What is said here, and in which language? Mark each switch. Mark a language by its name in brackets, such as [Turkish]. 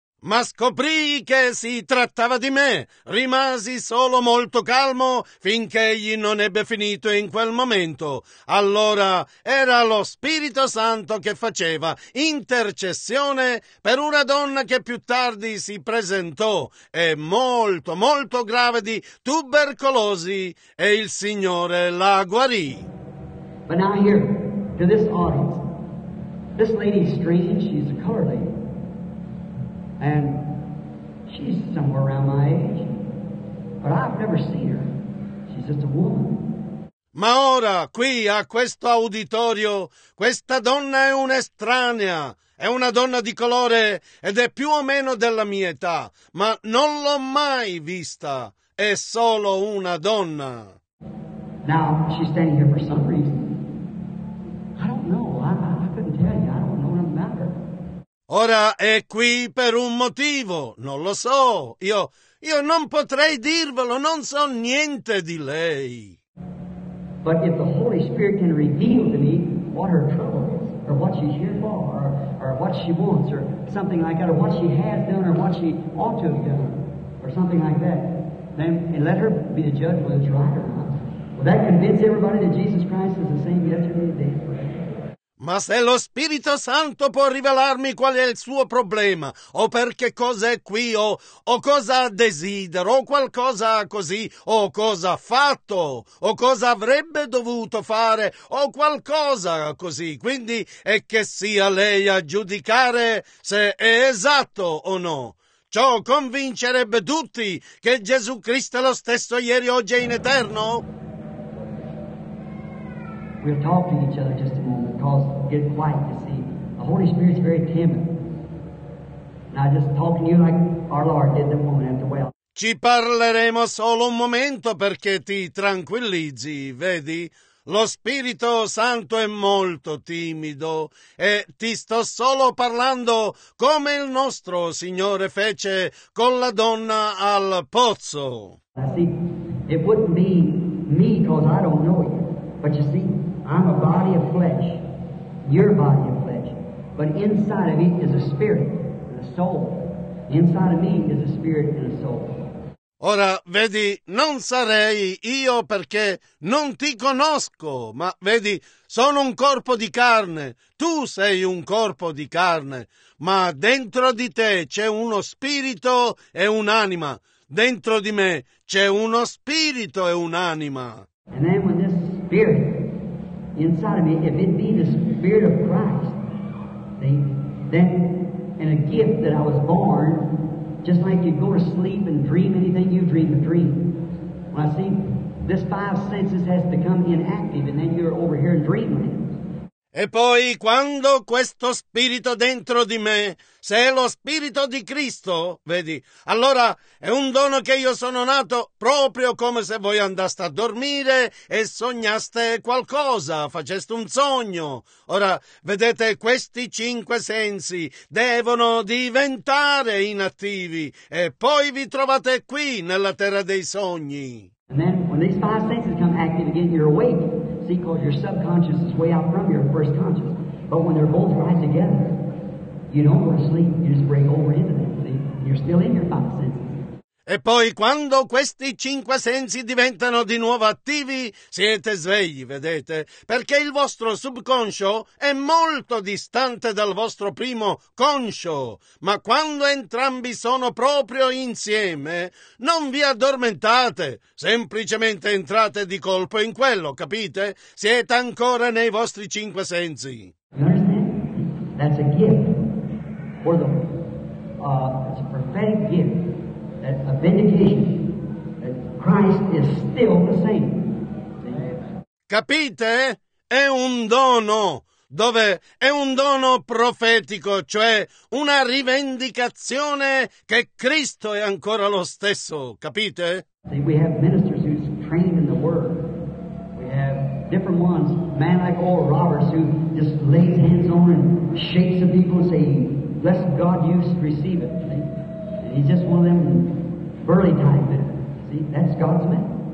[Italian] Ma scoprii che si trattava di me. Rimasi solo molto calmo finché egli non ebbe finito in quel momento. Allora era lo Spirito Santo che faceva intercessione per una donna che più tardi si presentò e molto, molto grave di tubercolosi e il Signore la guarì. [English] But now here, to this audience, this lady is strange, she's a color lady. And she's somewhere around my age, but I've never seen her. She's just a woman. [Italian] Ma ora, qui a questo auditorio, questa donna è un'estranea. È una donna di colore ed è più o meno della mia età, ma non l'ho mai vista. È solo una donna. [English] Now she's standing here for some reason. I don't know. I couldn't tell you. I don't know nothing about her. [Italian] Ora è qui per un motivo, non lo so, io non potrei dirvelo, non so niente di lei. [English] But if the Holy Spirit can reveal to me what her trouble is, or what she's here for, or what she wants, or something like that, or what she has done, or what she ought to have done, or something like that, then and let her be the judge whether it's right or not. Will that convince everybody that Jesus Christ is the same yesterday, today, and forever? [Italian] Ma se lo Spirito Santo può rivelarmi qual è il suo problema, o perché cosa è qui, o cosa desidera, o qualcosa così, o cosa ha fatto, o cosa avrebbe dovuto fare, o qualcosa così, quindi è che sia lei a giudicare se è esatto o no. Ciò convincerebbe tutti che Gesù Cristo è lo stesso ieri, oggi e in eterno. [English] We'll talk to each other just a moment, cause get quiet, you see. The Holy Spirit's very timid. Now just talking to you like our Lord did the woman at the well. [Italian] Ci parleremo solo un momento perché ti tranquillizzi, vedi? Lo Spirito Santo è molto timido e ti sto solo parlando come il nostro Signore fece con la donna al pozzo. [English] Now see, it wouldn't be me cause I don't know you, but you see, I'm a body of flesh, your body of flesh, but inside of me is a spirit and a soul. Inside of me is a spirit and a soul. [Italian] Ora, vedi, non sarei io perché non ti conosco, ma vedi, sono un corpo di carne, tu sei un corpo di carne, ma dentro di te c'è uno spirito e un'anima, dentro di me c'è uno spirito e un'anima. [English] And then when this spirit inside of me, if it be the Spirit of Christ, see, then in a gift that I was born, just like you go to sleep and dream anything, you dream a dream. Well, see, this five senses has become inactive, and then you're over here in dreamland. [Italian] E poi, quando questo spirito dentro di me, se è lo spirito di Cristo, vedi, allora è un dono che io sono nato proprio come se voi andaste a dormire e sognaste qualcosa, faceste un sogno. Ora, vedete, questi cinque sensi devono diventare inattivi e poi vi trovate qui, nella terra dei sogni. [English] And then, when these five senses come active again, you're awake. See, because your subconscious is way out from your first conscious. But when they're both right together, you don't go to sleep. You just break over into them, see? You're still in your five senses. [Italian] E poi quando questi cinque sensi diventano di nuovo attivi, siete svegli, vedete? Perché il vostro subconscio è molto distante dal vostro primo conscio. Ma quando entrambi sono proprio insieme, non vi addormentate. Semplicemente entrate di colpo in quello, capite? Siete ancora nei vostri cinque sensi. [English] You understand? That's a gift. For the, it's a prophetic gift. A vindication that Christ is still the same. [Italian] Capite? È un dono. dove è un dono profetico, cioè una rivendicazione che Cristo è ancora lo stesso, capite? [English] See, we have ministers who's trained in the Word. We have different ones, man like Oral Roberts, who just lays hands on and shakes the people and says, "Bless God, you receive it." See? He's just one of them burly type men. See, that's God's man.